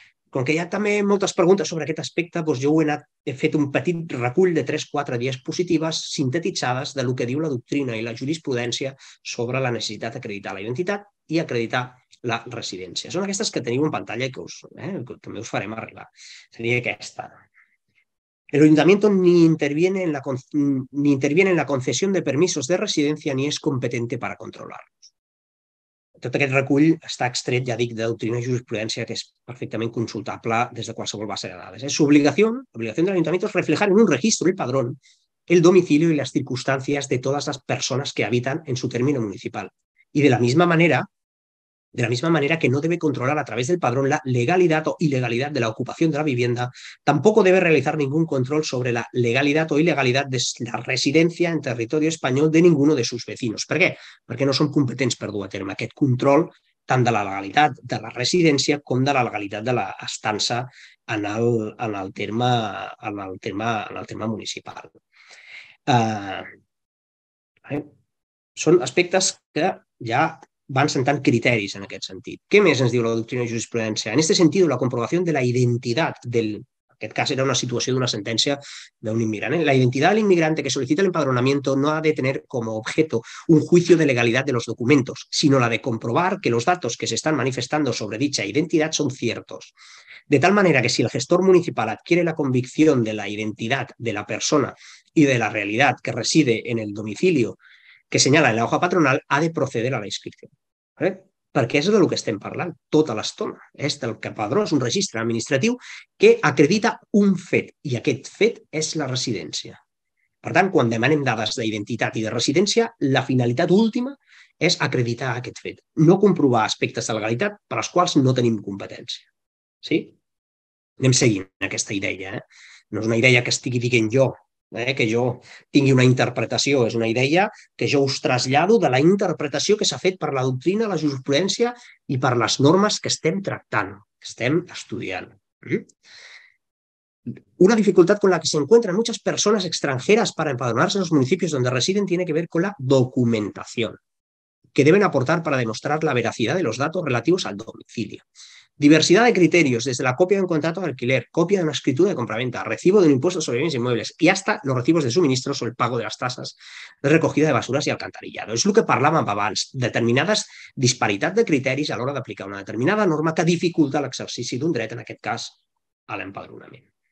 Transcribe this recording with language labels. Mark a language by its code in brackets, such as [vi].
[ca] Com que hi ha també moltes preguntes sobre aquest aspecte, doncs jo he fet un petit recull de 3-4 diapositives sintetitzades del que diu la doctrina i la jurisprudència sobre la necessitat d'acreditar la identitat i acreditar la residència. Són aquestes que teniu en pantalla i que també us farem arribar. Seria aquesta. [es] El ayuntamiento ni interviene en la concesión de permisos de residencia ni es competente para controlarlos. [ca] Tot aquest recull està extret, ja dic, de doctrina i jurisprudència, que és perfectament consultable des de qualsevol base de dades. [es] Es obligación del ayuntamiento es reflejar en un registro el padrón, el domicilio y las circunstancias de todas las personas que habitan en su término municipal. Y de la misma manera que no debe controlar a través del padrón la legalidad o ilegalidad de la ocupación de la vivienda, tampoco debe realizar ningún control sobre la legalidad o ilegalidad de la residencia en territorio español de ninguno de sus vecinos. ¿Por qué? [ca] Perquè no són competents per dur a terme aquest control tant de la legalitat de la residència com de la legalitat de l'estança en el terme municipal. Són aspectes que ja van sentant criteris en aquest sentit. Què més ens diu la doctrina i jurisprudència? [es] En este sentido, la comprobación de la identidad del... [ca] En aquest cas era una situació d'una sentència d'un immigrant. [es] La identidad del inmigrante que solicita el empadronamiento no ha de tener como objeto un juicio de legalidad de los documentos, sino la de comprobar que los datos que se están manifestando sobre dicha identidad son ciertos. De tal manera que si el gestor municipal adquiere la convicción de la identidad de la persona y de la realidad que reside en el domicilio que senyala en la hoja patronal, ha de proceder a la inscripció. [ca] Perquè és del que estem parlant tota l'estona. És del que padró, és un registre administratiu que acredita un fet, i aquest fet és la residència. Per tant, quan demanem dades d'identitat i de residència, la finalitat última és acreditar aquest fet, no comprovar aspectes de legalitat per als quals no tenim competència. Sí? Anem seguint aquesta idea. No és una idea que estigui dient jo, que jo tingui una interpretació, és una idea que jo us trasllado de la interpretació que s'ha fet per la doctrina, la jurisprudència i per les normes que estem tractant, que estem estudiant. [es] Una dificultat con la que se encuentran muchas personas extranjeras para empadronarse en los municipios donde residen tiene que ver con la documentación que deben aportar para demostrar la veracidad de los datos relativos al domicilio. Diversidad de criterios, desde la copia de un contrato de alquiler, copia de una escritura de compraventa, recibo de un impuesto sobre bienes inmuebles y hasta los recibos de suministros o el pago de las tasas de recogida de basuras y alcantarillado. [ca] És el que parlàvem abans, determinades disparitats de criteris a l'hora d'aplicar una determinada norma que dificulta l'exercici d'un dret, en aquest cas, a l'empadronament.